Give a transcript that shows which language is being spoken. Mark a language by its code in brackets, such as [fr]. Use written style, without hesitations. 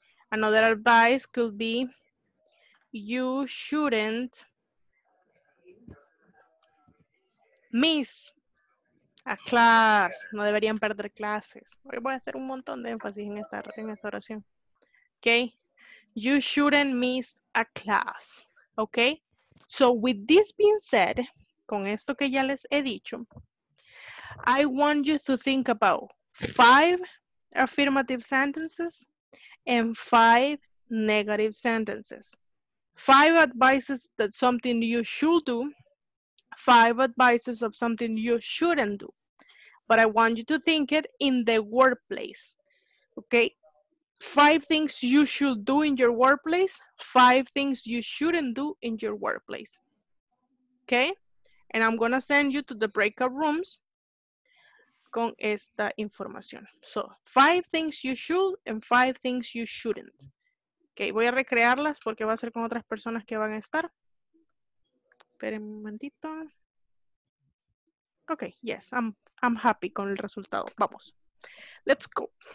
[en] Another advice could be, you shouldn't miss a class. [es] No deberían perder clases. Hoy voy a hacer un montón de énfasis en esta oración. [en] Okay. You shouldn't miss a class. Okay. So with this being said, [es] con esto que ya les he dicho, [en] I want you to think about 5 affirmative sentences and 5 negative sentences. 5 advices that something you should do, 5 advices of something you shouldn't do. But I want you to think it in the workplace, okay? 5 things you should do in your workplace, 5 things you shouldn't do in your workplace, okay? And I'm gonna send you to the breakout rooms [es] con esta información. [en] So, 5 things you should and 5 things you shouldn't. [es] Okay, voy a recrearlas porque va a ser con otras personas que van a estar. Esperen un momentito. [en] Okay, yes, I'm happy [es] con el resultado. Vamos. [en] Let's go.